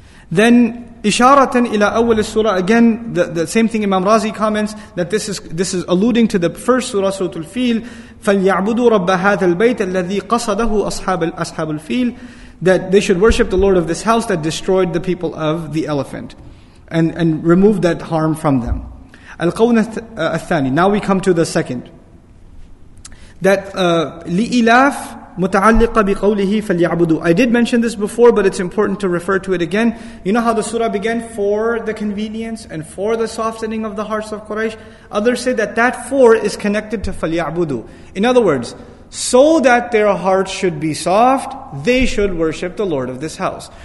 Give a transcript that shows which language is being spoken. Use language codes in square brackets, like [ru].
[en] Then, [ar] إِشَارَةً إِلَى أَوَّلِ السُّورَةِ, [en] again, the same thing Imam Razi comments, that this is alluding to the first surah, Surah Al-Fil, [ar] فَلْيَعْبُدُوا رَبَّ هَذَا الْبَيْتَ الَّذِي قَصَدَهُ أَصْحَابُ الْفِيلِ, [en] that they should worship the Lord of this house that destroyed the people of the elephant, and remove that harm from them. [ar] الْقَوْنَ الثَّانِي, [en] now we come to the second. That [ar] لِإِلَافِ مُتَعَلِّقَ بِقَوْلِهِ فَلْيَعْبُدُوا. [en] I did mention this before, but it's important to refer to it again. You know how the surah began, for the convenience and for the softening of the hearts of Quraysh? Others say that for is connected to فَلْيَعْبُدُوا. In other words, so that their hearts should be soft, they should worship the Lord of this house.